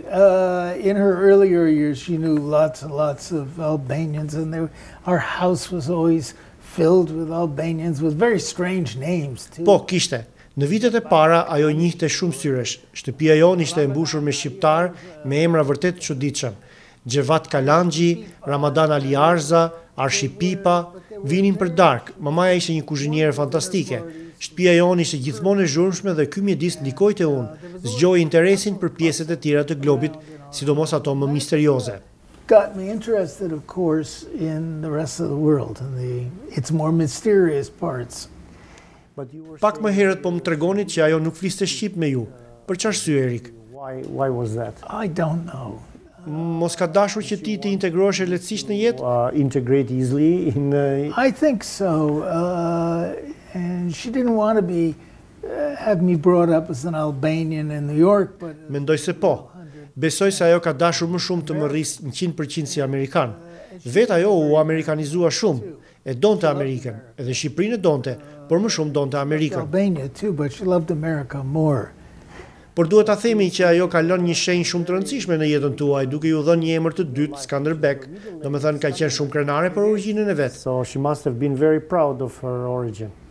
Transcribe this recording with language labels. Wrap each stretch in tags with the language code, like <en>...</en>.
<en>In her earlier years, she knew lots and lots of Albanians, and our house was always filled with Albanians with very strange names too.</en> <sq>Po, kishte. Në vitet e para ajo njihte shumë syresh. Shtëpia jonë ishte mbushur me shqiptar me emra vërtet të çuditshëm. Gjevat Kalanxhi, Ramadan Aliarza, Arshipipa, vinin për dark. Mamaja ishte një kuzhiniere fantastike. Shtëpia jonë ishte gjithmonë e zhurmshme dhe ky mjedis ndikoi te unë. Zgjoi interesin për pjesët e tjera të globit, sidomos ato më misterioze.</sq> <en>Got me interested, of course, in the rest of the world and the its more mysterious parts.</en> <sq>Pak më herët po më tregonit që ajo nuk fliste shqip me ju. Për çfarë arsye, Erik?</sq> <en>Why was that? I don't know.</en> <sq>Mos ka dashur që ti të integrohesh lehtësisht në jetë?</sq> <en>Integrate easily in I think so. And she didn't want to be have me brought up as an Albanian in New York, but</en> <sq>Mendoj se po. Besoj se ajo ka dashur më shumë të më rris 100% si amerikan. Vet ajo u amerikanizua shumë. E donte Amerikën, edhe Shqipërinë e donte, por më shumë donte Amerikën.</sq> <en>Albania too, but she loved America more.</en> <sq>Por duhet ta themi që ajo ka lënë një shenjë shumë të rëndësishme në jetën tuaj, duke ju dhënë një emër të dytë, Skanderbeg. Domethënë ka qenë shumë krenare për origjinën e vet.</sq> <en>So she must have been very proud of her origin.</en>